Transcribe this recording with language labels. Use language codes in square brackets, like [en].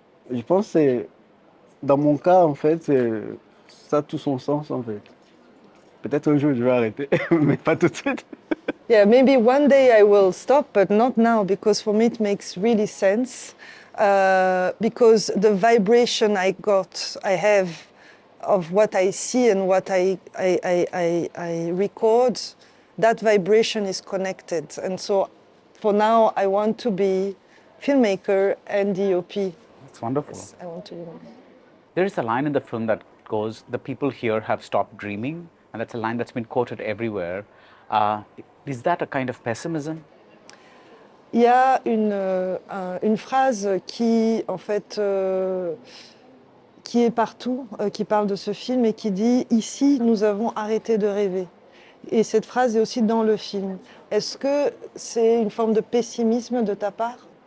[fr] Je pense que dans mon cas en fait, ça a tout son sens en fait. Peut-être un jour je vais arrêter, mais pas tout de suite. [en] Yeah, maybe one day I will stop, but not now, because for me it makes really sense. Because the vibration I have of what I see and what I record, that vibration is connected. And so for now I want to be filmmaker and DOP. That's wonderful. Yes, I want to be. There is a line in the film that goes, "The people here have stopped dreaming," and that's a line that's been quoted everywhere. Is that a kind of pessimism? [fr] Il y a une phrase qui, en fait, qui est partout, qui parle de ce film et qui dit « Ici, nous avons arrêté de rêver ». Et cette phrase est aussi dans le film. Est-ce que c'est une forme de pessimisme de ta part?